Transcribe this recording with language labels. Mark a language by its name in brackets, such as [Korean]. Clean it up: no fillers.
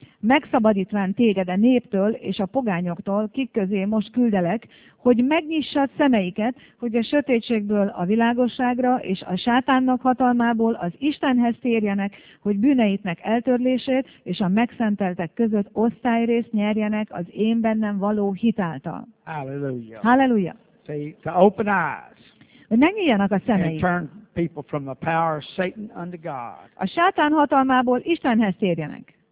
[Hungarian] Megszabadítván téged a néptől és a pogányoktól, kik közé most küldelek, hogy megnyissad szemeiket, hogy a sötétségből a világosságra és a sátánnak hatalmából az Istenhez térjenek, hogy bűneitnek eltörlését és a megszenteltek között osztályrészt nyerjenek az én bennem való hitáltal. Hallelujah. Hallelujah. [English] See, to open eyes. [Hungarian] Hogy megnyíljanak a szemeik. [English] And turn people from the power of Satan unto God. [Hungarian] A sátán hatalmából Istenhez térjenek.